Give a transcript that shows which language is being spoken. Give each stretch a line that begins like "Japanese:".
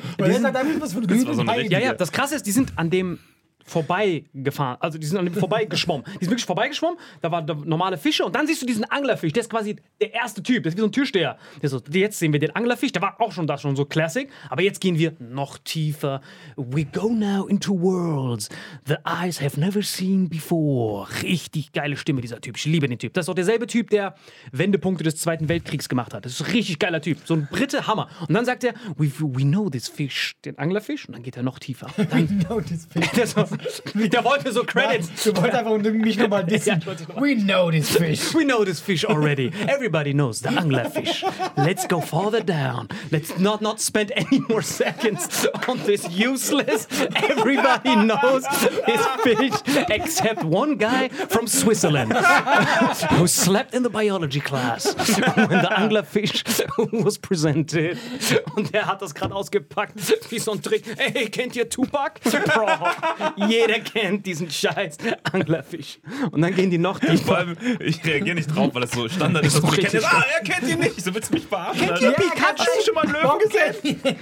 German: Die sind, das war so ein ja, ja, das Krasse ist, die sind an dem vorbeigefahren, also die sind an dem vorbeigeschwommen. Die sind wirklich vorbeigeschwommen, da waren normale Fische und dann siehst du diesen Anglerfisch, der ist quasi der erste Typ, der ist wie so ein Türsteher. Der so, jetzt sehen wir den Anglerfisch, der war auch schon da, schon so classic, aber jetzt gehen wir noch tiefer.
English: We go now into worlds the eyes have never seen before.
German: Richtig geile Stimme dieser Typ, ich liebe den Typ. Das ist auch derselbe Typ, der Wendepunkte des Zweiten Weltkriegs gemacht hat. Das ist ein richtig geiler Typ, so ein Brite, Hammer. Und dann sagt er,
English: we know this fish,
German: den Anglerfisch, und dann geht er noch tiefer. Dann,
English: we know this fish.
German: Der so, der wollte so Credits. Du wolltest einfach mich nochmal dissen.
English: Ja, we know this fish. We know this fish already. Everybody knows the anglerfish. Let's go further down. Let's not spend any more seconds on this useless. Everybody knows this fish except one guy from Switzerland who slept in the biology class when the anglerfish was presented.
German: Und der hat das gerade ausgepackt wie so ein Trick. Ey, kennt ihr Tupac? Bro. Jeder kennt diesen scheiß Anglerfisch. Und dann gehen die noch tiefer. Vor allem, ich reagiere nicht drauf, weil das so Standard ist. Ich kenne er kennt ihn nicht. So willst du mich verarschen? Kennt ihr Pikachu? Hast du schon mal einen Löwen gesehen?